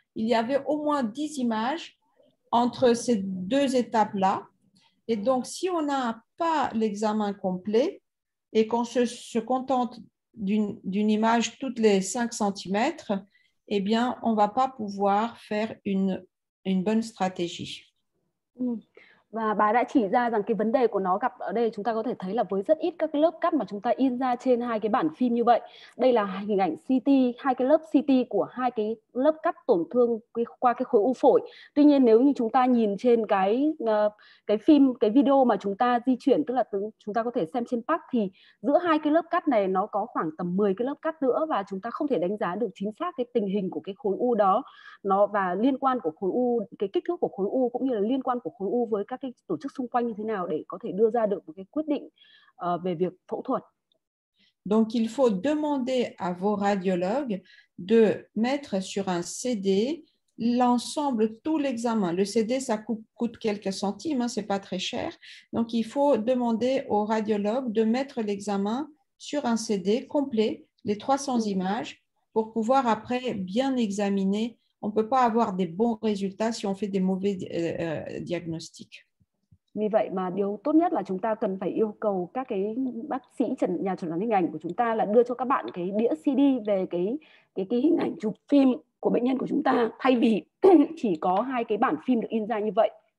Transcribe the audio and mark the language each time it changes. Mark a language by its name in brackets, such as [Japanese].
[French] Il y avait au moins 10 images entre ces deux étapes-là. Et donc, si on n'a pas l'examen complet et qu'on se contente d'une image toutes les 5 cm, eh bien, on ne va pas pouvoir faire une bonne stratégie. [Vietnamese] Và bà đã chỉ ra rằng cái vấn đề của nó gặp ở đây chúng ta có thể thấy là với rất ít các lớp cắt mà chúng ta in ra trên hai cái bản phim như vậy. Đây là hình ảnh CT, hai cái lớp CT của hai cái lớp cắt tổn thương qua cái khối u phổi. Tuy nhiên nếu như chúng ta nhìn trên cái phim, cái video mà chúng ta di chuyển, tức là chúng ta có thể xem trên PAC thì giữa hai cái lớp cắt này nó có khoảng tầm 10 cái lớp cắt nữa và chúng ta không thể đánh giá được chính xác cái tình hình của cái khối u đó. Nó và liên quan của khối u, cái kích thước của khối u cũng như là liên quan của khối u với các cái tổ chức xung quanh như thế nào để có thể đưa ra được một cái quyết định về việc phẫu thuật. [French] Donc, il faut demander à vos radiologues de mettre sur un CD l'ensemble, tout l'examen. Le CD, ça coûte quelques centimes, hein, ce n'est pas très cher. Donc, il faut demander aux radiologues de mettre l'examen sur un CD complet, les 300 images, pour pouvoir après bien examiner. On ne peut pas avoir des bons résultats si on fait des mauvais diagnostics. [Vietnamese] Vì vậy mà điều tốt nhất là chúng ta cần phải yêu cầu các cái bác sĩ nhà chẩn đoán hình ảnh của chúng ta là đưa cho các bạn cái đĩa CD về cái hình ảnh chụp phim của bệnh nhân của chúng ta thay vì chỉ có hai cái bản phim được in ra như vậy.